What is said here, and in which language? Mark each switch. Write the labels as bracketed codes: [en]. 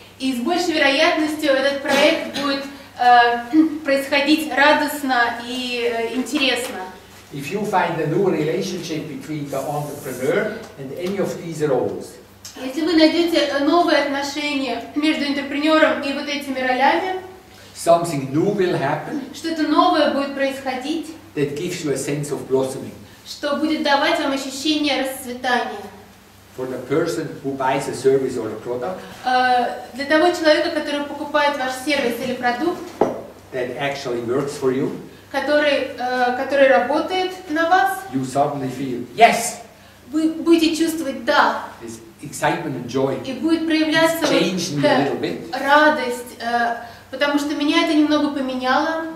[ru] И с большей вероятностью этот проект будет происходить радостно и интересно. [en] If you find a new relationship between the entrepreneur and any of these roles. [ru] Если вы найдете новые отношения между интерпренером и вот этими ролями, [en] something new will happen, [ru] что-то новое будет происходить, [en] that gives you a sense of blossoming, [ru] что будет давать вам ощущение расцветания. [en] For the person who buys a service or a product, [ru] для того человека, который покупает ваш сервис или продукт, [en] that actually works for you, [ru] который работает на вас, [en] you suddenly feel, yes! [ru] Вы будете чувствовать «да». [en] Excitement and joy. [ru] И будет проявляться радость, потому что меня это немного поменяло.